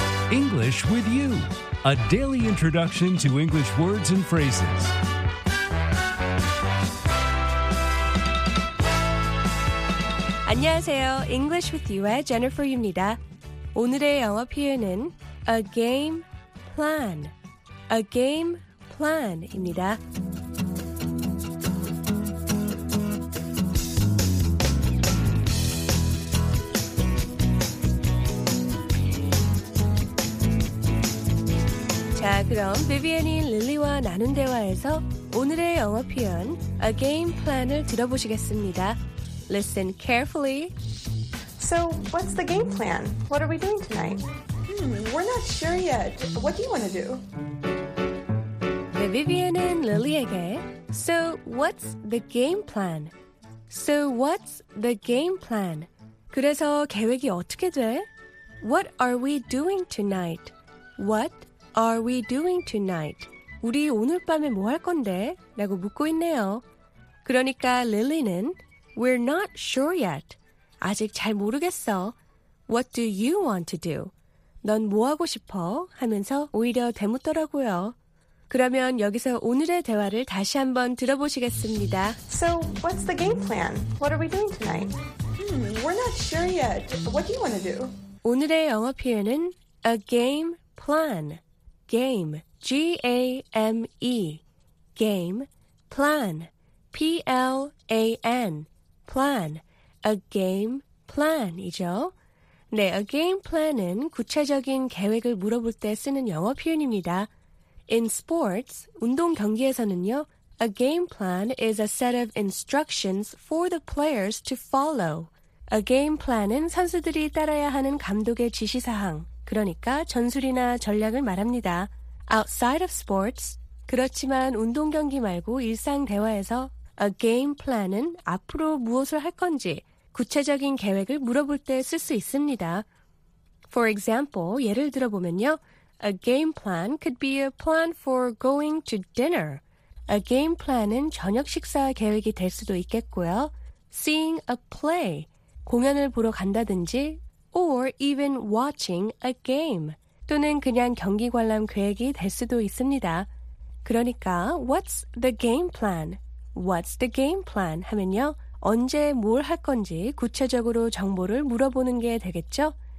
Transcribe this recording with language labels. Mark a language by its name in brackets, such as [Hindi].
[English] English with you. A daily introduction to English words and phrases. [Korean] English with you의 Jennifer입니다. 오늘의 영어 표현은 a game plan. [English] A game plan입니다. [Korean] 자, 그럼 비비안이 릴리와 나눈 대화에서 오늘의 영어 표현 a game plan을 들어보시겠습니다. [English] Listen carefully. So, what's the game plan? What are we doing tonight? We're not sure yet. What do you want to do? Vivian and Lily again. So, what's the game plan? So, what's the game plan? [Korean] 그래서 계획이 어떻게 돼? [English] What are we doing tonight? What are we doing tonight? [Korean] 우리 오늘 밤에 뭐 할 건데? 라고 묻고 있네요. 그러니까 릴리는 [English] We're not sure yet. [Korean] 아직 잘 모르겠어. [English] What do you want to do? [Korean] 넌 뭐 하고 싶어? 하면서 오히려 되묻더라고요. 그러면 여기서 오늘의 대화를 다시 한번 들어보시겠습니다. [English] So, what's the game plan? What are we doing tonight? We're not sure yet. What do you want to do? [Korean] 오늘의 영어 표현은 a game plan. [English] Game. G-A-M-E. Game. Plan. P-L-A-N. Plan. A game plan이죠. [Korean] 네, a game plan은 구체적인 계획을 물어볼 때 쓰는 영어 표현입니다. [English] In sports, [Korean] 운동 경기에서는요, [English] a game plan is a set of instructions for the players to follow. [Korean] A game plan은 선수들이 따라야 하는 감독의 지시사항, 그러니까 전술이나 전략을 말합니다. [English] Outside of sports, [Korean] 그렇지만 운동 경기 말고 일상 대화에서 A game plan은 앞으로 무엇을 할 건지 구체적인 계획을 물어볼 때 쓸 수 있습니다. [English] For example, [Korean] 예를 들어보면요. [English] A game plan could be a plan for going to dinner. [Korean] A game plan은 저녁 식사 계획이 될 수도 있겠고요. [English] Seeing a play, [Korean] 공연을 보러 간다든지 [English] or even watching a game, [Korean] 또는 그냥 경기 관람 계획이 될 수도 있습니다. 그러니까 [English] What's the game plan? What's the game plan? [Korean] 하면요. 언제 뭘 할 건지 구체적으로 정보를 물어보는 게 되겠죠?